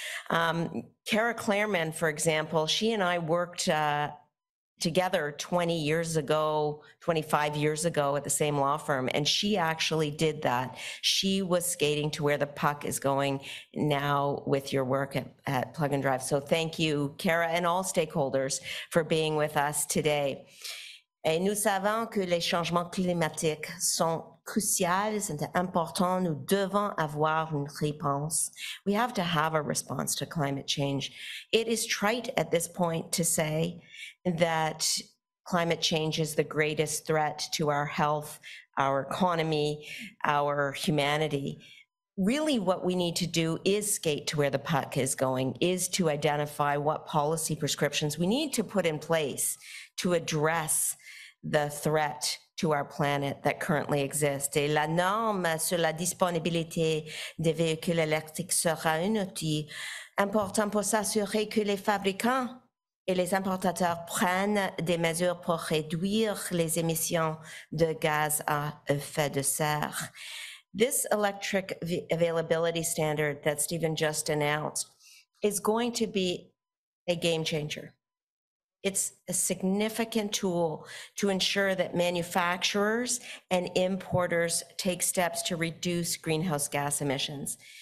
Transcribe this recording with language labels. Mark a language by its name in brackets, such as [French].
[English] Cara Clairman, for example, she and I worked together 20 years ago, 25 years ago at the same law firm, and she actually did that. She was skating to where the puck is going now with your work at Plug and Drive. So thank you, Cara, and all stakeholders for being with us today. [French] Et nous savons que les changements climatiques sont cruciales, sont importants. Nous devons avoir une réponse. [English] We have to have a response to climate change. It is trite at this point to say that climate change is the greatest threat to our health, our economy, our humanity. Really, what we need to do is skate to where the puck is going, is to identify what policy prescriptions we need to put in place to address the threat to our planet that currently exist. [French] Et la norme sur la disponibilité des véhicules électriques sera un outil important pour s'assurer que les fabricants et les importateurs prennent des mesures pour réduire les émissions de gaz à effet de serre. [English] This electric availability standard that Stephen just announced is going to be a game changer. It's a significant tool to ensure that manufacturers and importers take steps to reduce greenhouse gas emissions.